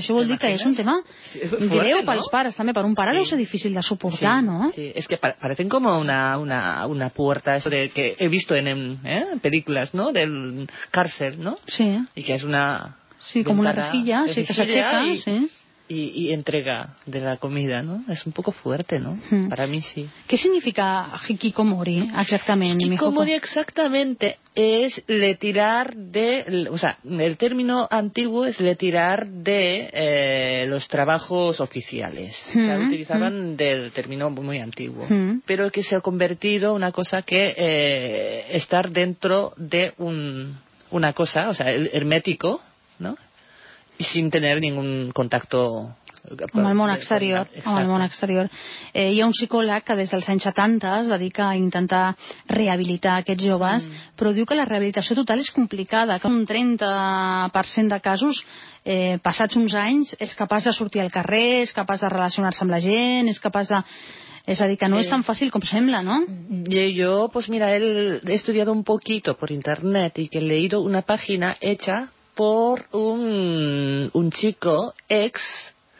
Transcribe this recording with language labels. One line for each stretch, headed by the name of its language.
Catalan: Això vol dir que és un tema greu pels pares, també. Per un pare deu ser difícil de suportar, no?
Spanish: Sí, es que parecen como una puerta, eso de que he visto en películas, ¿no?, del cárcel, ¿no? Sí. Y que es una... Sí, como una rejilla, sí,
Catalan: que s'aixeca,
Spanish: sí. y entrega de la comida, ¿no? Es un poco fuerte, ¿no? Mm. Para mí sí. ¿Qué significa hikikomori exactamente? Hikikomori exactamente es le tirar de... O sea, el término antiguo es le tirar de los trabajos oficiales. Mm. O sea, utilizaban del término muy antiguo. Mm. Pero que se ha convertido en una cosa que estar dentro de una cosa, o sea, hermético, ¿no? Y sin tener ningún contacto
Catalan: amb el món exterior. Amb el món exterior. Hi ha un psicòleg que des dels anys 70 es dedica a intentar rehabilitar aquests joves, però diu que la rehabilitació total és complicada, que un 30% de casos, passats uns anys, és capaç de sortir al carrer, és capaç de relacionar-se amb la gent, és capaç de... És a dir, que no és tan fàcil com sembla, no?
Spanish: Jo, pues mira,
Catalan: he estudiat
Spanish: un poquito por internet i que he leído una pàgina hecha por un chico ex